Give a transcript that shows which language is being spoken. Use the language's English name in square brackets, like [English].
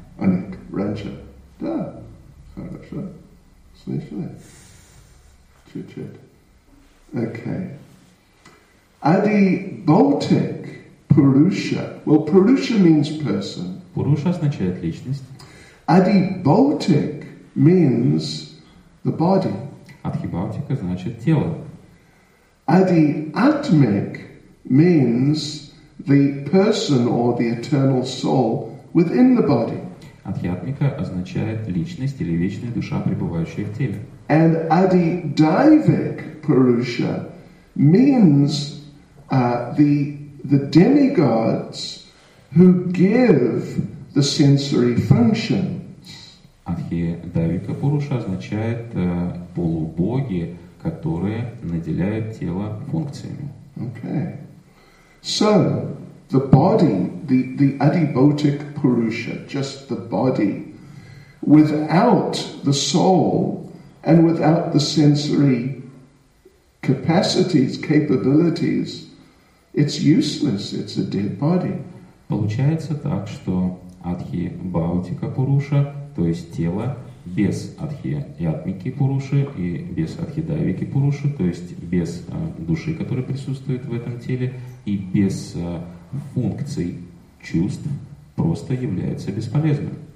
[Russian] Аник, раньше. Да, хорошо. Слышали? Чуть-чуть. Окей. [Sanskrit] Adi Bhautik Purusha. [English] Well, Purusha means person. [Russian] Purusha означает личность. [English] Adi Bhautik means the body. [Russian] Адхи Баутика значит тело. [English] Adi Atmik means the person or the eternal soul within the body. [Russian] Адхи Атмика означает личность или вечная душа, пребывающая в теле. [English] And Adi Daivik Purusha means the demigods who give the sensory functions. [Russian] Адхи Даивика Пуруша означает полубоги, которые наделяют тело функциями. [English] Okay. So the body, the Adi Bhautik Purusha, just the body, without the soul and without the sensory capacities, capabilities, it's useless, it's a dead body. [Russian] Получается так, что Адхи Бхаутика Пуруша, то есть тело, без Адхи Ятмики Пуруши и без Адхи Дайвики Пуруши, то есть без души, которая присутствует в этом теле, и без функций чувств, просто является бесполезным.